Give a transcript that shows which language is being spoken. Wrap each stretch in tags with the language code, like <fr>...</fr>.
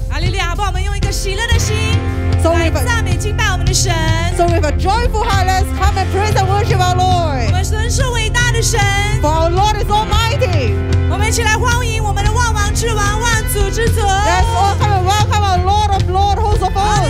<zh>阿利利亚，好不好？我们用一个喜乐的心来赞美敬拜我们的神</zh> <en>，So we have a joyful heart， let's come and praise and worship our Lord，</en> <zh>我们神是伟大的神</zh> <en>，For our Lord is Almighty，</en> <zh>我们一起来欢迎我们的万王之王，万主之主</zh> <en>，Let's all come and welcome our Lord of Lords, host of hosts，</en>